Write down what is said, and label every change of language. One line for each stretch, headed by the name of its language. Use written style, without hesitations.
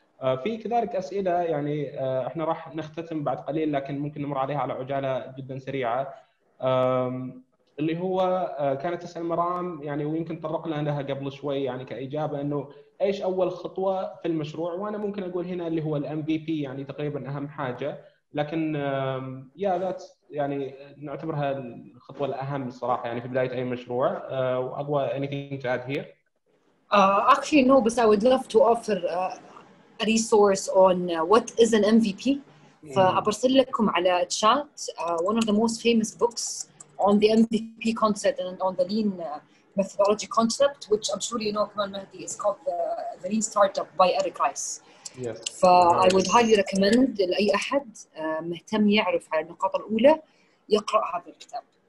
Arabic: في كذلك اسئله يعني احنا راح نختتم بعد قليل لكن ممكن نمر عليها على عجاله جدا سريعه اللي هو كانت تسأل مرام يعني ويمكن طرقنا لها قبل شوي يعني كإجابة أنه إيش أول خطوة في المشروع وأنا ممكن أقول هنا اللي هو MVP يعني تقريبا أهم حاجة لكن يا ذات يعني نعتبرها الخطوة الأهم الصراحة يعني في بداية أي مشروع وأضوى
English: anything to add here actually no but I would love to offer a resource on what is an MVP.
Arabic: فأرسل لكم على تشات
English: one of the most famous books on the MVP concept and on the lean methodology concept which I'm sure you know
Arabic: كمان
English: مهدي is called the lean startup by Eric Ries. Yes.
Arabic: ف
English: I would highly recommend
Arabic: لأي أحد مهتم يعرف على النقاط الأولى يقرأ هذا الكتاب.